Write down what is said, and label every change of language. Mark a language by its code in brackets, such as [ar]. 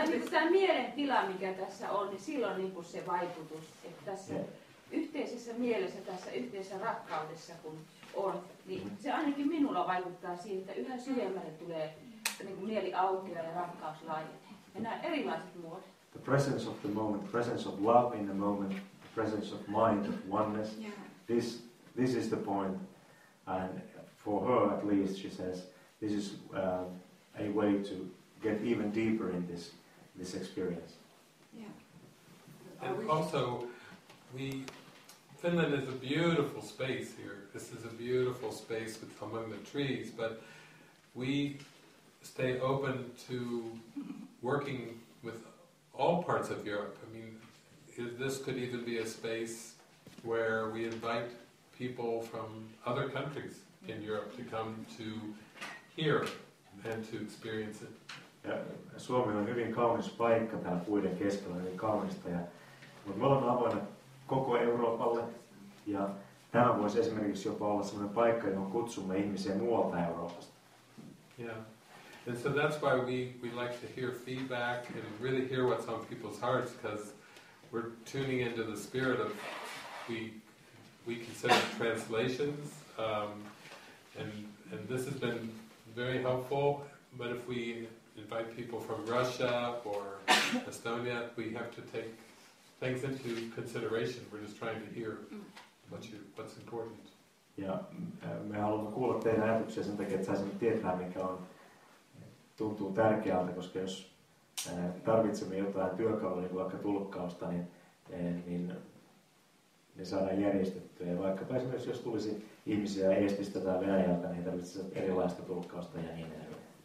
[fi] Tämä mielen tila, mikä tässä on, niin silloin niin kuin se vaikutus, että tässä yhteisessä mielessä, tässä yhteisessä rakkaudessa kun on, niin se ainakin minulla vaikuttaa siihen, että yhä syvemmälle tulee niin kuin mieli aukeaa ja rakkaus laajenee. Ja nämä erilaiset muodot. [en] The presence of the moment, the presence of love in the moment, the presence of mind, of oneness. Yeah. This is the point. And for her at least, she says, this is a way to get even deeper in this experience. Yeah. And also, Finland is a beautiful space here. This is a beautiful space with among the trees, but we stay open to working with all parts of Europe. I mean, this could even be a space where we invite people from other countries in Europe to come to hear and to experience it. [fi] Ja Suomi on hyvin kaunis paikka täällä puiden keskellä, hyvin kaunista. Mutta me ollaan avoinna koko Euroopalle. Ja tämä voisi esimerkiksi jopa olla sellainen paikka, johon kutsumme ihmisiä muualta Euroopasta. [en] Yeah. And so that's why we like to hear feedback and really hear what's on people's hearts, because we're tuning into the spirit of we consider translations. And this has been very helpful. But if we invite people from Russia or Estonia, we have to take things into consideration. We're just trying to hear what's important. [fi] Ja me haluamme kuulla teidän ajatuksia sen takia, että saisimme tietää, mikä on tuntuu tärkeältä, koska jos tarvitsemme jotain työkalua, niin vaikka tulkkausta, niin ne saadaan järjestettyä. Ja vaikkapa esimerkiksi, jos tulisi ihmisiä Eestistä tai Venäjältä, niin tarvitsisi erilaista tulkkausta ja niin edelleen.